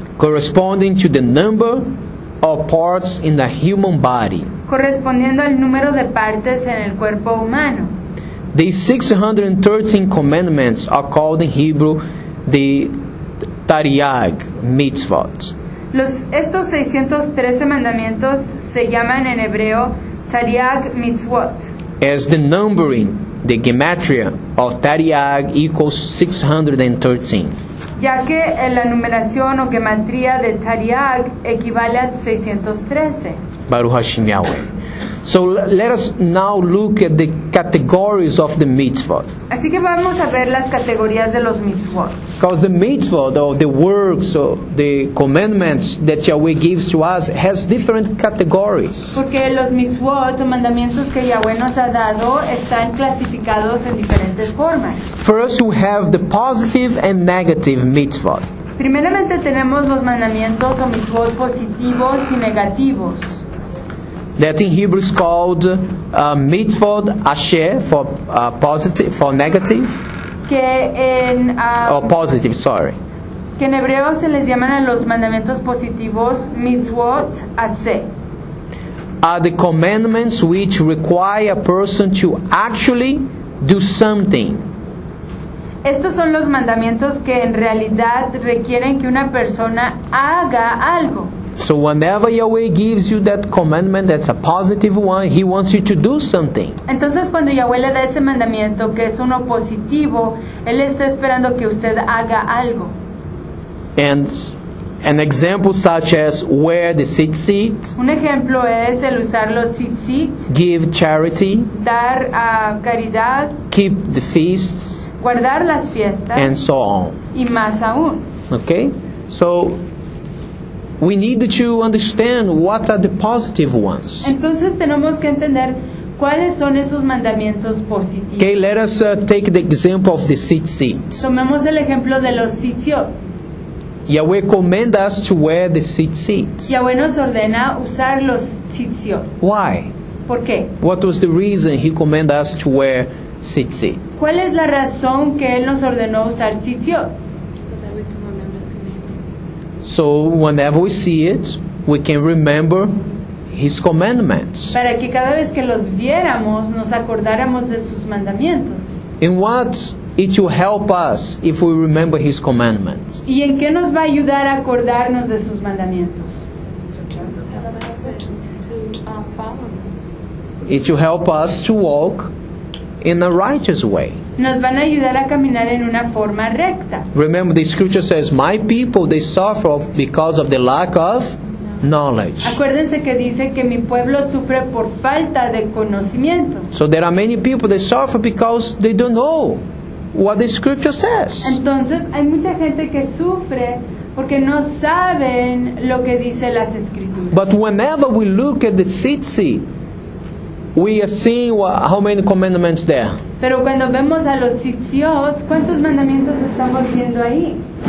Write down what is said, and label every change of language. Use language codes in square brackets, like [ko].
[en] Corresponding to the number of parts in the human body. [es] Correspondiendo al número de partes en el cuerpo humano. [en] The 613 commandments are called in Hebrew the Tariag mitzvot. [es] Estos 613 mandamientos se llaman en hebreo Tariag mitzvot. [en] As the numbering, the gematria of Tariag equals 613. [es] Ya que la numeración o gematría de Tariag equivale a 613. [he] Baruch Hashem Yahweh. [en] So let us now look at the categories of the mitzvot. [es] Así que vamos a ver las categorías de los mitzvot. [en] Because the mitzvot or the works or the commandments that Yahweh gives to us has different categories. [es] Porque los mitzvot o mandamientos que Yahweh nos ha dado están clasificados en diferentes formas. [en] First we have the positive and negative mitzvot. [es] Primeramente tenemos los mandamientos o mitzvot positivos y negativos. [en] That in Hebrew is called mitzvot asher for positive, for negative. [es] Que en [en] or positive, sorry. [es] Que en hebreo se les llaman a los mandamientos positivos mitzvot asher. [en] Are the commandments which require a person to actually do something. [es] Estos son los mandamientos que en realidad requieren que una persona haga algo. [en] So whenever Yahweh gives you that commandment that's a positive one, he wants you to do something. [es] Entonces cuando Yahweh le da ese mandamiento que es uno positivo, él está esperando que usted haga algo. [en] And an example such as wear the tzitzit. [es] Un ejemplo es el usar los tzitzit. [en] Give charity. [es] Dar caridad. [en] Keep the feasts. [es] Guardar las fiestas. [en] And so on. [es] Y más aún. [en] Okay? So we need to understand what are the positive ones. [es] Entonces tenemos que entender cuáles son esos mandamientos positivos. [en] Okay, let us take the example of the tzitzit. [es] Tomemos el ejemplo de los tzitzit. [en] Yahweh commands us to wear the tzitzit. [es] Yahweh nos ordena usar los tzitzit. [en] Why? [es] ¿Por qué? [en] What was the reason he commanded us to wear tzitzit? [es] ¿Cuál es la razón que él nos ordenó usar tzitzit? [en] So whenever we see it, we can remember his commandments. [es] Para que cada vez que los viéramos, nos acordáramos de sus mandamientos. [en] In what it will help us if we remember his commandments? [es] ¿Y en qué nos va a ayudar a acordarnos de sus mandamientos? [en] It will help us to walk in a righteous way. [es] Nos van a ayudar a caminar en una forma recta. [en] Remember, the scripture says, my people, they suffer because of the lack of knowledge. [es] Acuérdense que dice que mi pueblo sufre por falta de conocimiento. [en] So there are many people, they suffer because they don't know what the scripture says. [es] Entonces, hay mucha gente que sufre porque no saben lo que dice las escrituras. [en] But whenever we look at the tzitzit, we are seeing how many commandments there. [es] Pero cuando vemos a los tzitzit, ¿cuántos mandamientos estamos viendo ahí?